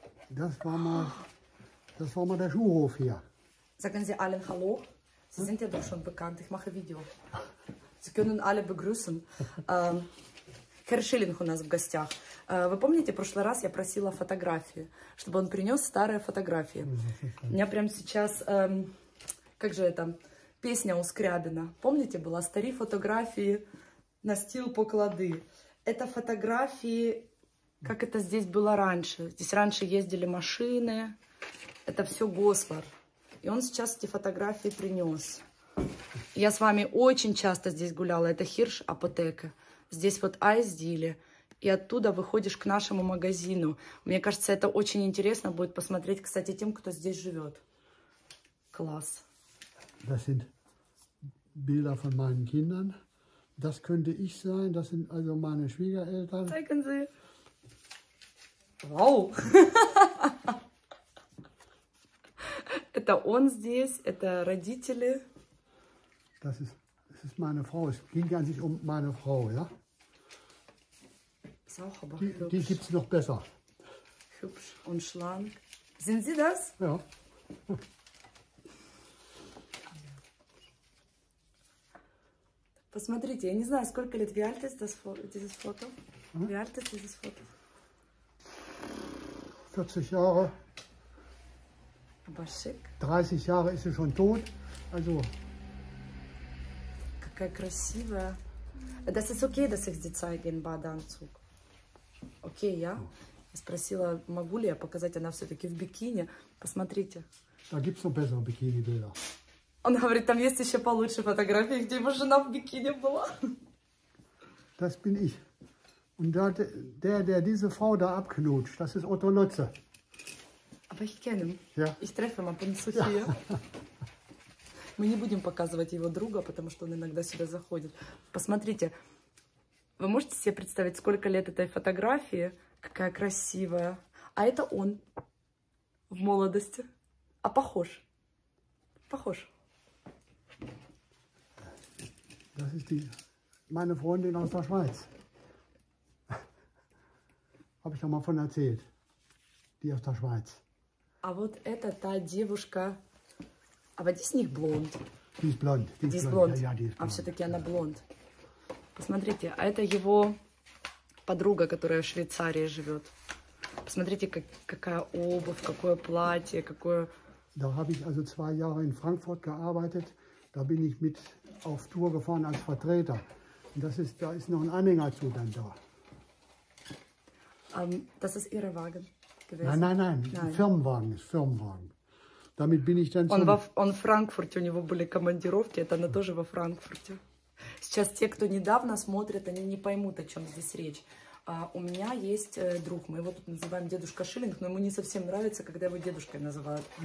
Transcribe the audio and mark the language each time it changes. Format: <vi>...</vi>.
<de>Das war mal der Schulhof hier. Sagen Sie allen Hallo. Sie sind ja doch schon bekannt. Ich mache Video. Sie können alle begrüßen.</de> <ru>Herr Schilling у нас в гостях. Вы помните, в прошлый раз я просила фотографии, чтобы он принес старые фотографии. У меня прямо сейчас, как же это, песня у Скрябина. Помните, была «Стари фотографии, настил поклады». Это фотографии, как это здесь было раньше. Здесь раньше ездили машины. Это все Гослар. И он сейчас эти фотографии принес. Я с вами очень часто здесь гуляла. Это Хирш Апотека. Здесь вот Айсдили. И оттуда выходишь к нашему магазину. Мне кажется, это очень интересно будет посмотреть, кстати, тем, кто здесь живет. Класс.</ru> <de>Das sind Bilder von meinen Kindern. Das könnte ich sein. Das sind also meine Schwiegereltern. Zeigen Sie. Wow.</de> <ru>Это он здесь, это родители.</ru> <de>Das ist meine Frau. Es ging an sich um meine Frau, ja? Die gibt's noch besser. Hübsch und schlank. Sind Sie das? Ja.</de> <ru>Посмотрите, я не знаю, сколько лет.</ru> <de>Wie alt ist dieses Foto? Wie alt ist dieses Foto? 40 Jahre. Aber schick. 30 Jahre ist sie schon tot. Also.</de> <ru>Какая красивая.</ru> <de>Das ist okay, dass ich sie zeige in Badeanzug.</de> <ru>Окей, я спросила, могу ли я показать, она все-таки в бикини. Посмотрите.</ru> <de>Da gibt's noch bessere Bikini-Bilder.</de> <ru>Он говорит, там есть еще получше фотографии, где его жена в бикини была.</ru> <de>Das bin ich. Und der diese Frau da abknutscht, das ist Otto Lotze. Aber ich kenne ihn. Ja. Ich treffe ihn ab und zu hier.</de> <ru>Мы не будем показывать его друга, потому что он иногда сюда заходит. Посмотрите. Вы можете себе представить, сколько лет этой фотографии? Какая красивая. А это он в молодости. А похож? Похож.</ru> <de>Das ist die, meine Freundin aus der Schweiz. Habe ich doch mal von erzählt. Die aus der Schweiz.</de> <ru>А вот это та девушка.</ru> <de>Aber die ist nicht blond. Die ist blond. Die ist blond.</de> <ru>А все-таки она блонд. Посмотрите, а это его подруга, которая в Швейцарии живет. Посмотрите, какая обувь, какое платье, какое.</ru> <de>Da habe ich also zwei Jahre in Frankfurt gearbeitet. Da bin ich mit auf Tour gefahren als Vertreter. Und das ist, da ist noch ein Anhänger zu dann da. Das ist Ihr Wagen gewesen? Nein. Firmenwagen. Damit bin ich dann.</de> <ru>Он в Франкфурте, у него были командировки, это она тоже во Франкфурте. Сейчас те, кто недавно смотрит, они не поймут, о чем здесь речь. У меня есть друг, мы его тут называем дедушка Шиллинг, но ему не совсем нравится, когда его дедушкой называют.</ru>